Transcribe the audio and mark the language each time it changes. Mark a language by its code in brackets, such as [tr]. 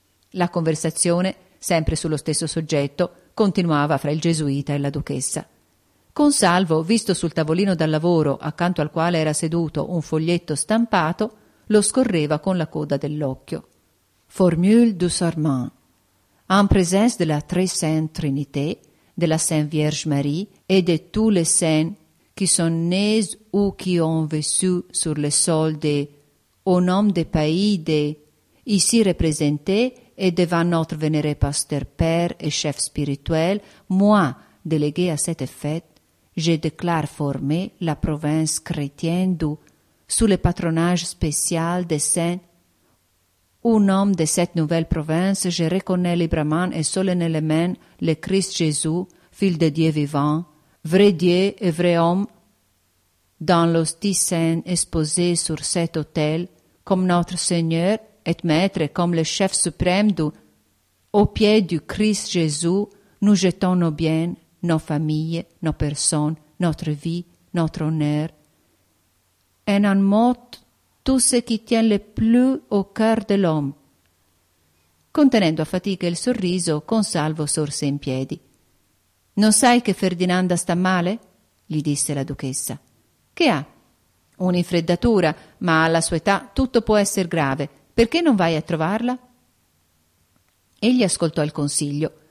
[it] La conversazione, sempre sullo stesso soggetto, continuava fra il gesuita e la duchessa. Consalvo, visto sul tavolino da lavoro, accanto al quale era seduto un foglietto stampato, lo scorreva con la coda dell'occhio. [fr] «Formule du sermon. En présence de la Très Sainte Trinité, de la Sainte Vierge Marie et de tous les saints qui sont nés ou qui ont vécu sur le sol de, au nom des pays de, ici représentés et devant notre vénéré pasteur père et chef spirituel, moi, délégué à cette fête, je déclare former la province chrétienne du, sous le patronage spécial des saints. Un homme de cette nouvelle province, je reconnais librement et solennellement le Christ Jésus, fils de Dieu vivant, vrai Dieu et vrai homme, dans l'hostie sainte exposée sur cet autel, comme notre Seigneur et Maître, comme le chef suprême du... Au pied du Christ Jésus, nous jetons nos biens, nos familles, nos personnes, notre vie, notre honneur. En un mot... tout ce qui tient le plus au cœur de l'homme. [it] Contenendo a fatica il sorriso, Consalvo sorse in piedi. Non sai che Ferdinanda sta male? Gli disse la duchessa. Che ha? Un'infreddatura, ma alla sua età tutto può essere grave. Perché non vai a trovarla? Egli ascoltò il consiglio.